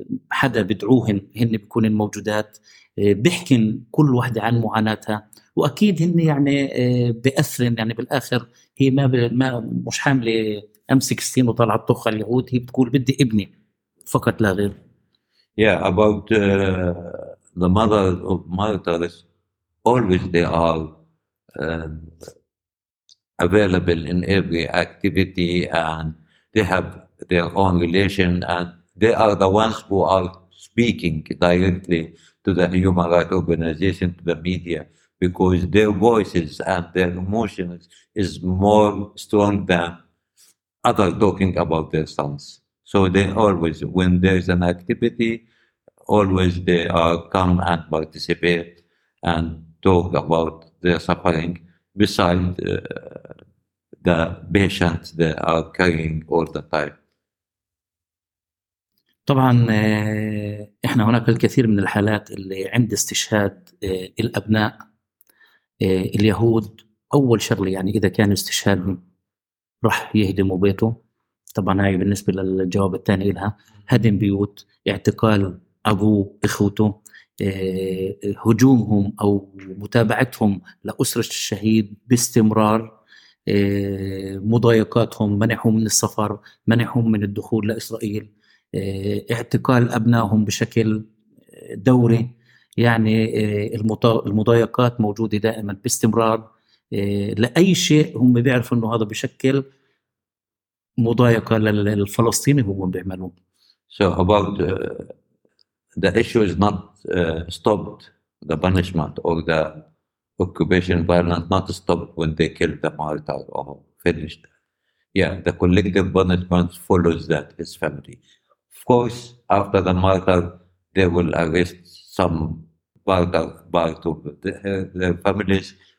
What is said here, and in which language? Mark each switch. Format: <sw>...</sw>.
<ar>حدا بدعوهن هن بكون موجودات بيحكن كل واحدة عن معاناتها وأكيد هن يعني بأثرن يعني بالآخر هي ما مش حاملة أم 16 وطلعت طخة اليهود هي بتقول بدي ابني فقط لا غير.</ar> <en>Yeah, about the mother of martyrs, always they are available in every activity and they have their own relation and they are the ones who are speaking directly to the human rights organization, to the media, because their voices and their emotions is more strong than other talking about their sons. So they always, when there's an activity, always they are come and participate and talk about their suffering beside the patients they are carrying all the time.</en> <ar>طبعا احنا هناك الكثير من الحالات اللي عند استشهاد الابناء اليهود اول شغله يعني اذا كان استشهادهم راح يهدموا بيته طبعا هاي بالنسبة للجواب الثاني لها هدم بيوت اعتقال أبوه إخوته هجومهم أو متابعتهم لأسرة الشهيد باستمرار مضايقاتهم، منعهم من السفر، منعهم من الدخول لإسرائيل، اعتقال أبنائهم بشكل دوري. يعني المضايقات موجودة دائما باستمرار لأي شيء هم بيعرفوا أنه هذا بشكل مضايقة للفلسطيني هم بيعملون.</ar> <en>So about the issue is not stopped, the punishment or the occupation violence not stopped when they killed the martyr or finished. Yeah, the collective punishment follows that, his family. Of course, after the martyr, they will arrest some part of the families.</en>